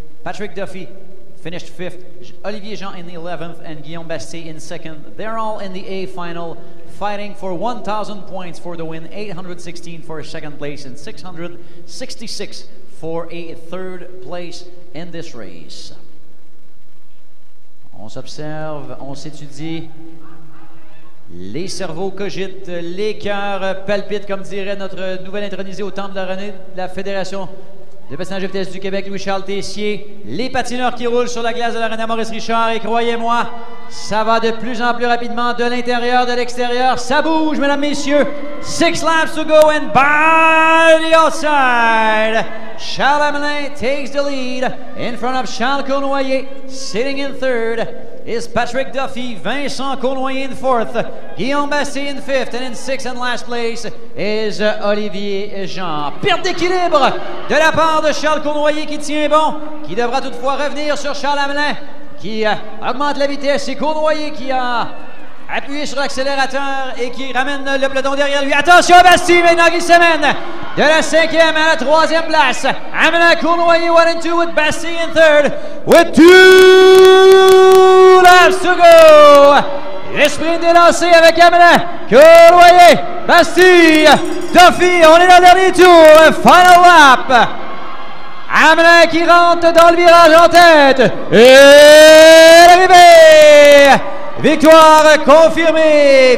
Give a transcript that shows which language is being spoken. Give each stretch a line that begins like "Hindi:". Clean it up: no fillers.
English: Patrick Duffy finished fifth, Olivier Jean in the 11th, and Guillaume Bastier in second. They're all in the A final, fighting for 1,000 points for the win, 816 for a second place, and 666 for a third place in this race.
French: On s'observe, on s'étudie. Les cerveaux cogitent, les cœurs palpitent, comme dirait notre nouvel intronisé au temple de la Fédération de patinage de vitesse du Québec, Louis-Charles Tessier. Les patineurs qui roulent sur la glace de l'aréna Maurice Richard, et croyez-moi, ça va de plus en plus rapidement de l'intérieur, de l'extérieur. Ça bouge, mesdames, messieurs.
English: Six laps to go, and by the outside, Charles Hamelin takes the lead in front of Charles Cournoyer, sitting in third. Is Patrick Duffy, Vincent Cournoyer in fourth, Guillaume Bastier in fifth, and in sixth and last place is Olivier Jean.
French: Perte d'équilibre de la part de Charles Cournoyer qui tient bon, qui devra toutefois revenir sur Charles Hamelin, qui augmente la vitesse. C'est Cournoyer qui a appuyé sur l'accélérateur et qui ramène le peloton derrière lui. Attention, Bastier maintenant qui se mène de la cinquième à la troisième place.
English: Hamelin, Cournoyer, one and two with Bastier in third, with two laps to go.
French: L'esprit est lancé avec Hamelin, Cournoyer, Bastier, Duffy. On est dans le dernier tour,
English: final lap.
French: Hamelin qui rentre dans le virage en tête. Et l'arrivée. Victoire confirmée.